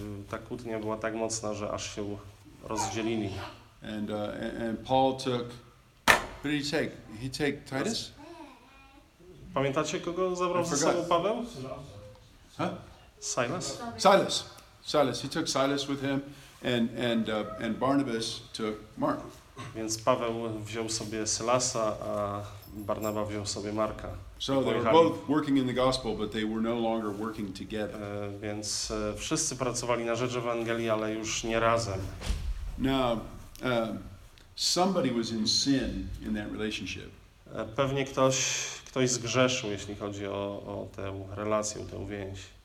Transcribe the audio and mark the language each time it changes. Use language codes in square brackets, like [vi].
[pl] Ta kłótnia była tak mocna, że aż się rozdzielili. [en] And Paul took. Who did he take? He took Titus? [pl] Pamiętacie, kogo zabrał ze sobą Paweł? Huh? [en] Silas. He took Silas with him, and Barnabas took Mark. [pl] Więc Paweł wziął sobie Sylasa, a Barnaba wziął sobie Marka. [en] So they were both working in the gospel, but they were no longer working together. [pl] Więc wszyscy pracowali na rzecz Ewangelii, ale już nie razem. [en] Now, somebody was in sin in that relationship. [pl] Pewnie ktoś zgrzeszył, jeśli chodzi o tę relację, tę więź.